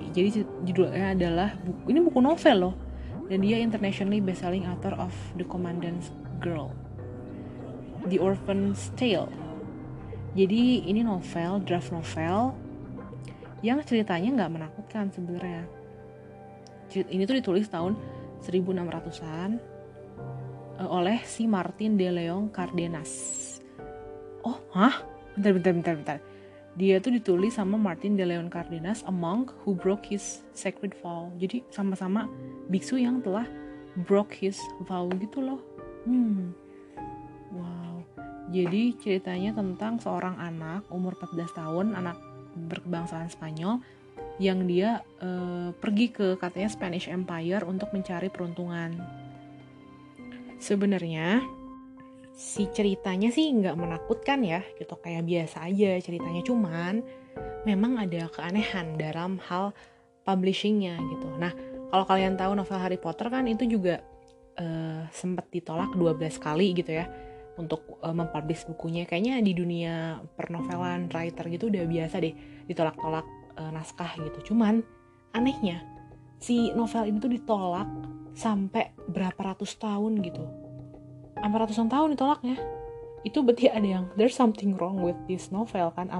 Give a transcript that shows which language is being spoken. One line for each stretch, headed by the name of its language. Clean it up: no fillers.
Indonesian: Jadi judulnya adalah buku, ini buku novel loh.
English: Dan dia internationally bestselling author of The Commandant's Girl, The Orphan's Tale.
Indonesian: Jadi ini novel, draft novel, yang ceritanya gak menakutkan sebenarnya. Ini tuh ditulis tahun 1600-an oleh si Martin de Leon Cardenas. Oh, hah? Bentar.
English: Dia tuh ditulis sama Martin de Leon Cardenas, a monk who broke his sacred vow.
Indonesian: Jadi sama-sama biksu yang telah broke his vow gitu loh. Wow. Jadi ceritanya tentang seorang anak umur 14 tahun, anak berkebangsaan Spanyol, yang dia pergi ke katanya Spanish Empire untuk mencari peruntungan. Sebenarnya si ceritanya sih nggak menakutkan ya, gitu kayak biasa aja ceritanya, cuman memang ada keanehan dalam hal publishingnya gitu. Nah kalau kalian tahu novel Harry Potter kan itu juga sempat ditolak 12 kali gitu ya untuk mempublish bukunya. Kayaknya di dunia pernovelan writer gitu udah biasa deh ditolak-tolak naskah gitu. Cuman anehnya si novel ini tuh ditolak sampai berapa ratus tahun gitu. Sampai ratusan tahun ditolaknya.
English: Itu berarti ada yang, there's something wrong with this novel kan.